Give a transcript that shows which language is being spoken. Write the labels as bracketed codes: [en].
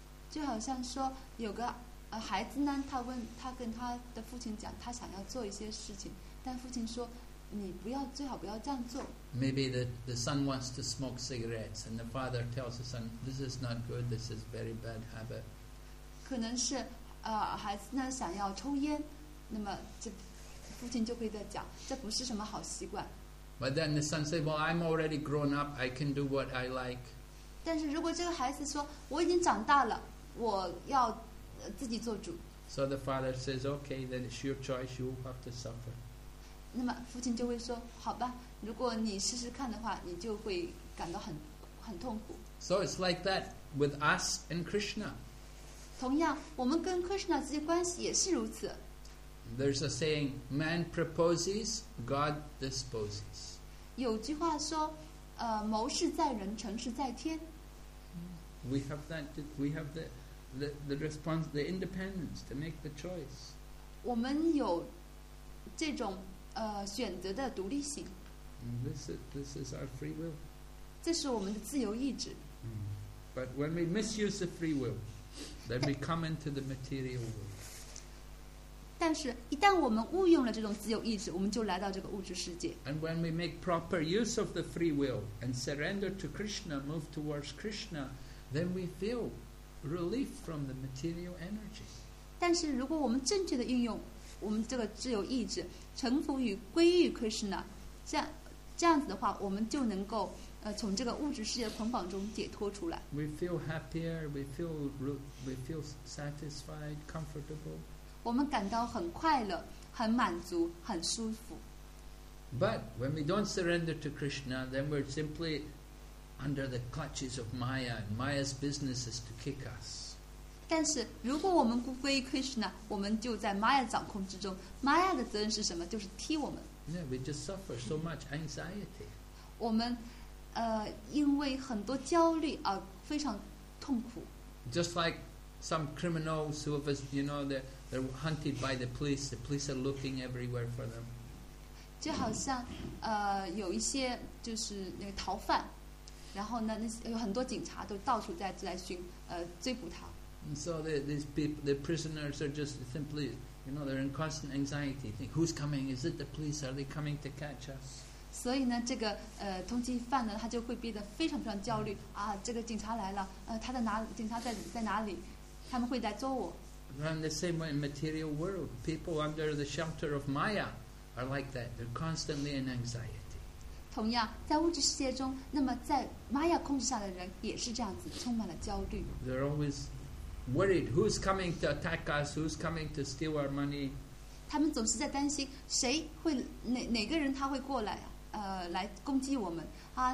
[zh] 就好像说有个孩子呢，他跟他的父亲讲他想要做一些事情，但父亲说你不要，最好不要这样做。 [en] Maybe the son wants to smoke cigarettes and the father tells the son, this is not good, this is very bad habit. [zh] 可能是孩子呢想要抽烟，那么这父亲就会在讲这不是什么好习惯。 [en] But then the son said, well, I'm already grown up, I can do what I like. [zh] 但是如果这个孩子说我已经长大了，我要自己做主。 [en] So the father says, okay, then it's your choice, you have to suffer. [zh] 那么父亲就会说好吧，如果你试试看的话，你就会感到很痛苦。 [en] So it's like that with us and Krishna. [zh] 同样我们跟 Krishna 之间关系也是如此。 [en] There's a saying, man proposes, God disposes. [zh] 有句话说，谋事在人，成事在天。 [en] We have that, we have the response, the independence to make the choice. [zh] 我们有这种选择的独立性。 [en] This is our free will. [zh] 这是我们的自由意志。 [en] But when we misuse the free will, then we come into the material world. [zh] 但是一旦我们误用了这种自由意志，我们就来到这个物质世界。 [en] And when we make proper use of the free will and surrender to Krishna, move towards Krishna, then we feel relief from the material energy. [zh] 但是如果我们正确的运用我们这个自由意志，臣服于归于 Krishna, 这样子的话，我们就能够从这个物质世界的捆绑中解脱出来。 [en] We feel happier, we feel satisfied, comfortable. [zh] 我们感到很快乐，很满足，很舒服。 [en] But when we don't surrender to Krishna, then we're simply under the clutches of Maya, and Maya's business is to kick us. [zh] 但是如果我们不归于 Krishna, 我们就在 Maya 掌控之中。 Maya 的责任是什么？就是踢我们。 [en] Yeah, we just suffer so much anxiety. [zh] 我们因为很多焦虑而非常痛苦。 [en] Just like some criminals who have, you know, they're hunted by the police. The police are looking everywhere for them. [zh] 就好像有一些就是那个逃犯，然后呢，有很多警察都到处在寻追捕他。 [en] And so these people, the prisoners are just simply, you know, they're in constant anxiety. Think who's coming? Is it the police? Are they coming to catch us? [zh] 所以呢，这个通缉犯呢，他就会变得非常非常焦虑啊！这个警察来了，他在哪？警察在哪里？他们会来捉我。 [en] And the same way in material world, people under the shelter of Maya are like that. They're constantly in anxiety. [zh] 同样，在物质世界中，那么在 Maya 控制下的人也是这样子，充满了焦虑。 [en] They're always worried. Who's coming to attack us? Who's coming to steal our money? [zh] 他们总是在担心谁会哪个人他会过来来攻击我们啊？